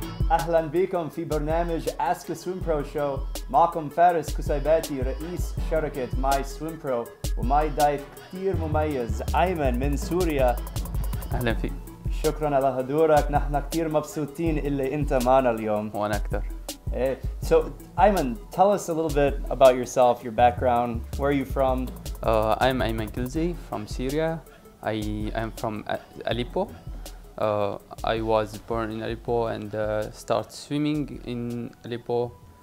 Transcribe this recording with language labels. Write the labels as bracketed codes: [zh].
[ar] اهلا بكم في برنامج Ask a Swim Pro Show. معكم فارس كسيباتي رئيس شركه MySwimPro ومعي ضيف كثير مميز ايمن من سوريا. اهلا فيك. شكرا على حضورك. نحن كثير مبسوطين اللي انت معنا اليوم. وانا اكثر. [en] Hey. So, Ayman, tell us a little bit about yourself, your background, where are you from? I'm Ayman Klzie from Syria. I'm from Aleppo. I was born in Aleppo and started swimming in Aleppo.